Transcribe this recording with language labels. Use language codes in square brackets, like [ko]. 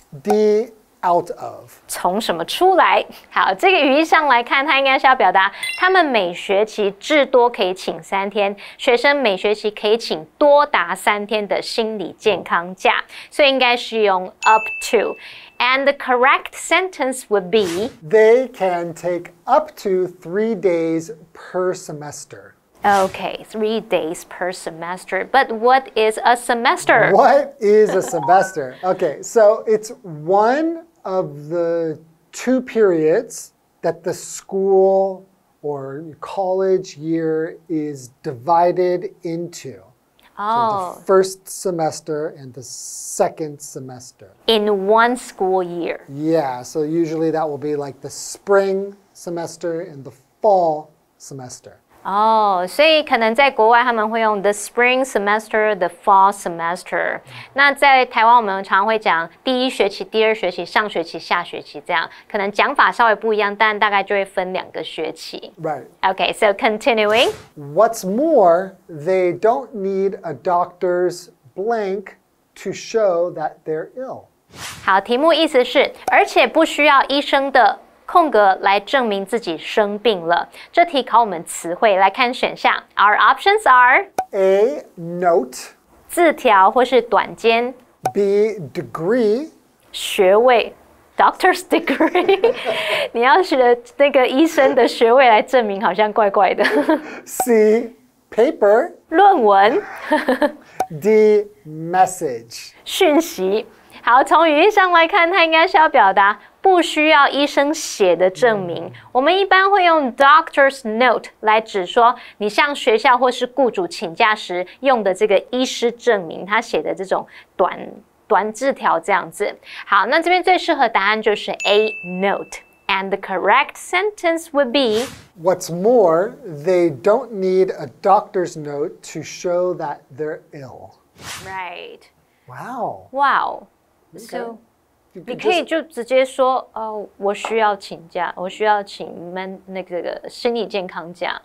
[en] D. Out of [zh] 从什么出来。好，这个语义上来看，它应该是要表达他们每学期至多可以请三天，学生每学期可以请多达三天的心理健康假，所以应该是用 up to。 [en] And the correct sentence would be They can take up to 3 days per semester Okay, 3 days per semester. But what is a semester? What is a semester? Okay, so it's one of the two periods that the school or college year is divided into. Oh. So the first semester and the second semester. In one school year. Yeah, so usually that will be like the spring semester and the fall semester. [zh] 所以可能在国外他们会用 [en] the spring semester, the fall semester. [zh] 那在台湾我们常会讲第一学期、第二学期、上学期、下学期这样，可能讲法稍微不一样，但大概就会分两个学期。 [en] Right. Okay, so continuing. What's more, they don't need a doctor's blank to show that they're ill. [zh] 好，题目意思是，而且不需要医生的空格来证明自己生病了。这题考我们词汇，来看选项。 [en] Our options are A. Note [zh] 字条或是短笺。 [en] B. Degree [zh] 学位 ， [en] Doctor's degree [zh] 你要学那个医生的学位来证明，好像怪怪的。 [en] C. Paper [zh] 论文。 [en] D. Message [zh] 讯息。好，从语义上来看，它应该是要表达不需要医生写的证明。我们一般会用 doctor's note 来指说你向学校或是雇主请假时用的这个医师证明，他写的这种短字条这样子。好，那这边最适合答案就是 [en] A note, and the correct sentence would be What's more, they don't need a doctor's note to show that they're ill. Right. Wow. Wow. So. [zh] 你可以就直接说、oh, 我需要请假，我需要请那个心理健康假。